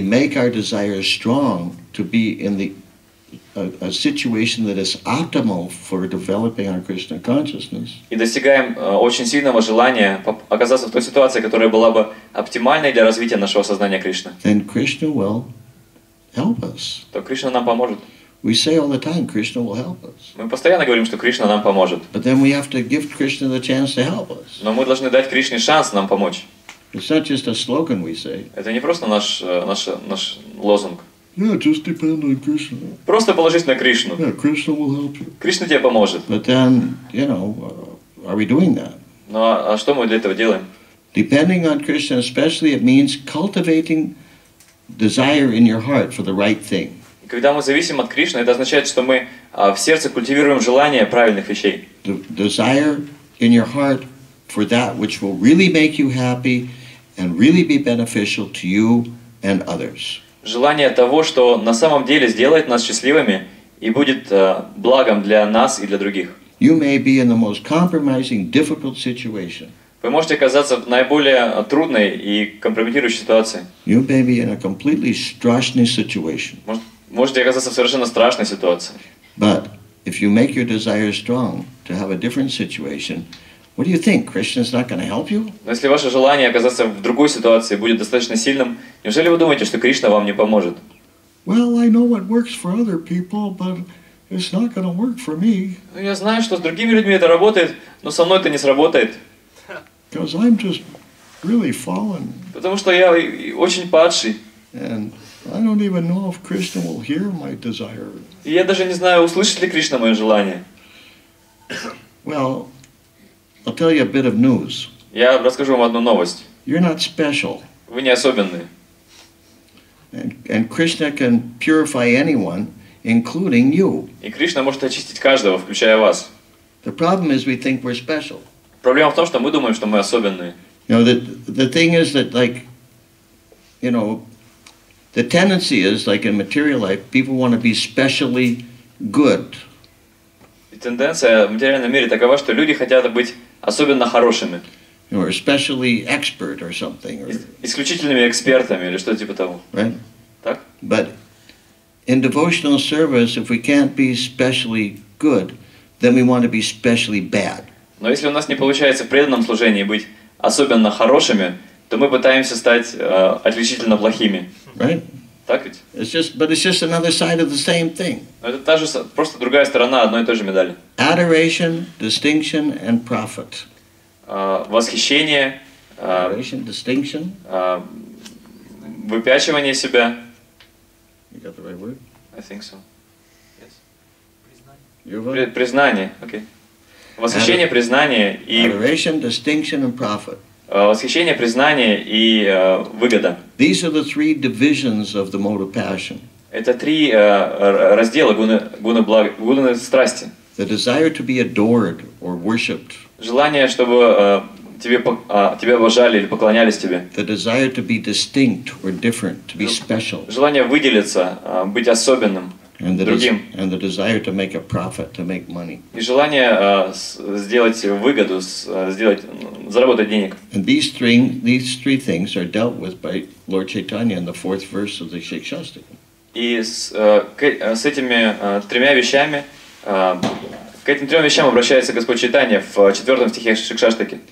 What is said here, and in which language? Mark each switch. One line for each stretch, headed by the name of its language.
Russian: делаем наши желания сильными, чтобы быть в
English: a situation that is optimal for developing our Krishna consciousness.
Russian: И достигаем очень сильного желания оказаться в той ситуации, которая была бы оптимальной для развития нашего сознания Кришны.
English: Then Krishna will help us.
Russian: То Кришна нам поможет.
English: We say all the time, Krishna will help us.
Russian: Мы постоянно говорим, что Кришна нам поможет.
English: But then we have to give Krishna the chance to help us.
Russian: Но мы должны дать Кришне шанс нам помочь.
English: It's not just a slogan we say.
Russian: Это не просто наш лозунг.
English: Yeah, just depend on Krishna.
Russian: Просто положись на Кришну.
English: Yeah, Krishna will help you.
Russian: Кришна тебе поможет.
English: But then, you know, are we doing that?
Russian: Ну а что мы для этого делаем?
English: Depending on Krishna, especially, it means cultivating desire in your heart for the right thing.
Russian: Когда мы зависим от Кришны, это означает, что мы в сердце культивируем желание правильных вещей.
English: The desire in your heart for that which will really make you happy and really be beneficial to you and others.
Russian: Желание того, что на самом деле сделает нас счастливыми и будет благом для нас и для других.
English: You may be in the most compromising, difficult situation.
Russian: Вы можете оказаться в наиболее трудной и компрометирующей ситуации.
English: You may be in a completely strashny situation.
Russian: Можете оказаться в совершенно страшной ситуации.
English: But if you make your desire strong to have a different situation, what do you think? Krishna is not going to help you?
Russian: Но если ваше желание оказаться в другой ситуации будет достаточно сильным, неужели вы думаете, что Кришна вам не поможет?
English: Well, I know what works for other people, but it's not going to work for me.
Russian: Ну, я знаю, что с другими людьми это работает, но со мной это не сработает.
English: Because I'm just really fallen.
Russian: Потому что я очень падший.
English: And I don't even know if Krishna will hear my desire.
Russian: И я даже не знаю, услышит ли Кришна мое желание.
English: Well, I'll tell you a bit of news.
Russian: Я расскажу вам одну новость.
English: You're not special.
Russian: Вы не особенные.
English: And Krishna can purify anyone, including you.
Russian: И Кришна может очистить каждого, включая вас.
English: The problem is we think we're special.
Russian: Проблема в том, что мы думаем, что мы особенные.
English: You know, the thing is that, like, you know, the tendency is, like in material life, people want to be specially good.
Russian: тенденция в материальном мире такова, что люди хотят быть особенно хорошими.
English: Or especially expert or something.
Russian: Исключительными экспертами или что-то типа того.
English: Right?
Russian: Так?
English: But in devotional service, if we can't be specially good, then we want to be specially bad.
Russian: Но если у нас не получается в преданном служении быть особенно хорошими, то мы пытаемся стать отличительно плохими.
English: Right?
Russian: Так ведь?
English: It's just another side of the same thing.
Russian: Это та же, просто другая сторона одной и той же медали.
English: Adoration, distinction and profit.
Russian: Восхищение, выпячивание себя.
English: You got the right word? I think so. Yes.
Russian: Признание. Okay. Восхищение, признание и...
English: Adoration, distinction and profit.
Russian: Восхищение, признание и выгода.
English: These are the three divisions of the mode of passion.
Russian: Это три раздела гуны страсти.
English: The desire to be adored or worshipped.
Russian: Желание, чтобы тебя обожали или поклонялись тебе.
English: The desire to be distinct or different, to be special.
Russian: Желание выделиться, быть особенным,
English: and
Russian: другим.
English: And the desire to make a profit, to make money.
Russian: И желание сделать выгоду, сделать, заработать денег.
English: And these three things are dealt with by Lord Chaitanya in the fourth verse of the Shikshastika.
Russian: И с этими тремя вещами. К этим трем вещам обращается Господь Чайтанья в четвертом стихе Шикшаштаки.